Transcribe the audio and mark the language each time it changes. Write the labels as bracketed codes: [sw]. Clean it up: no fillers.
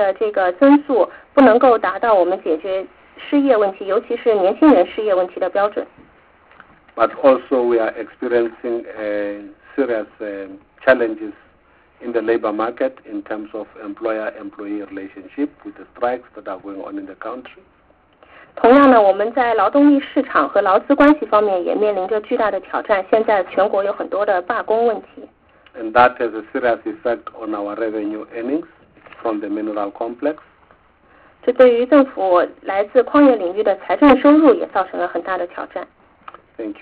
[zh] 穆迪降级的原因呢，就是说我们经济的这个增速不能够达到我们解决。 [en] But also we are experiencing serious challenges in the labor market in terms of employer-employee relationship with the strikes that are going on in the country. [zh] 同样呢，我们在劳动力市场和劳资关系方面也面临着巨大的挑战。现在全国有很多的罢工问题。 [en] And that has a serious effect on our revenue earnings from the mineral complex. [zh] 这对于政府来自矿业领域的财政收入也造成了很大的挑战。 [en] Thank